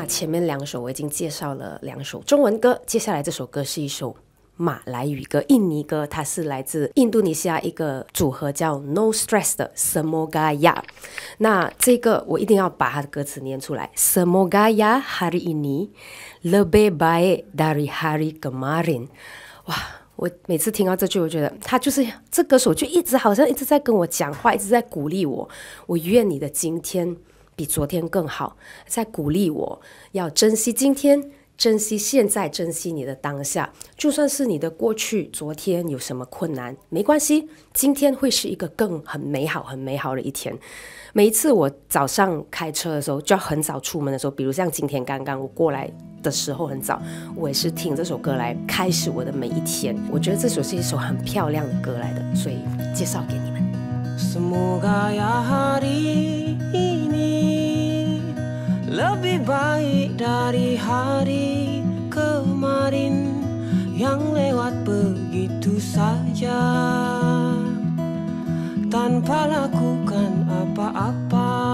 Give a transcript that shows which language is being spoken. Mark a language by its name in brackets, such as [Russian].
[Chinese] 那前面两首我已经介绍了两首中文歌，接下来这首歌是一首马来语歌，印尼歌，它是来自印度尼西亚一个组合叫 No Stress 的 Semoga Ya。那这个我一定要把它的歌词念出来， [Indonesian] Semoga Ya hari ini lebih baik dari hari kemarin。 [Chinese] 哇，我每次听到这句我觉得他就是这歌手就一直好像一直在跟我讲话，一直在鼓励我，我愿你的今天比昨天更好，在鼓励我要珍惜今天，珍惜现在，珍惜你的当下。就算是你的过去昨天有什么困难，没关系，今天会是一个更很美好很美好的一天。每一次我早上开车的时候就要很早出门的时候，比如像今天刚刚我过来的时候很早，我也是听这首歌来开始我的每一天。我觉得这首是一首很漂亮的歌来的，所以介绍给你们。 [Indonesian] Semoga ya hari ini lebih baik dari hari kemarin yang lewat begitu saja tanpa lakukan apa-apa.